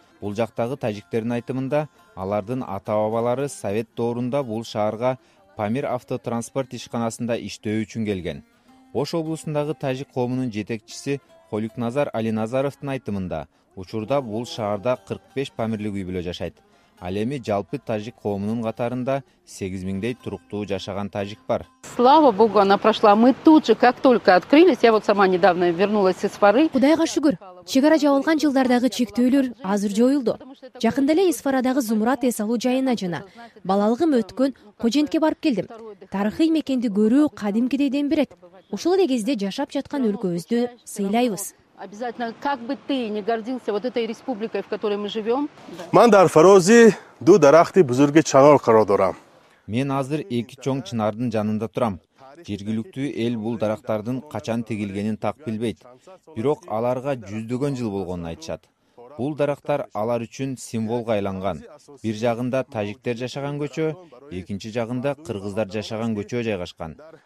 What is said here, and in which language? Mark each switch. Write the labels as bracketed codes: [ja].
[ky] Бул жактагы тажиктердин айтымында, алардын ата-бабалары совет доорунда бул шаарга Памир автотранспорт ишканасында иштөө үчүн келген. Ош облусундагы тажик коомунун жетекчиси Холикназар Алиназаровдун айтымында, учурда бул шаарда 45 памирлик үй бүлө жашайт. Ал эми жалпы тажик коомунун катарында 8000 туруктуу жашаган тажик бар. [ru] Слава Богу, она прошла. Мы тут же, как только открылись, я вот сама недавно вернулась из Фары. [ky] Кудайга шүгүр, Чегара жабылган жылдардагы чектөөлөр азыр жоюлду. Жакында эле Исфарадагы Зумрат эс алуу жайына жана балалыгым өткөн Кожентке барып келдим. Тарыхый мекенди көрүү кадимкидей ден берет. Ушул эле кезде жашап жаткан өлкөбүздү сыйлайбыз. [ru] Обязательно, как бы ты ни гордился вот этой республикой, в которой мы живем. [tg] Мандар Фарози, ду дарахты бузурге чанол карадорам. [ky] Мен азыр эки чоң чынардын жанында турам. Жергиликтүү эл бул дарактардын качан тегилгенин так билбейт. Бирок аларга жүздөгөн жыл болгонун айтышат. Бул дарактар алар үчүн символго айланган. Бир жагында тажиктер жашаган көчө, экинчи жагында кыргыздар жашаган көчө жайгашкан.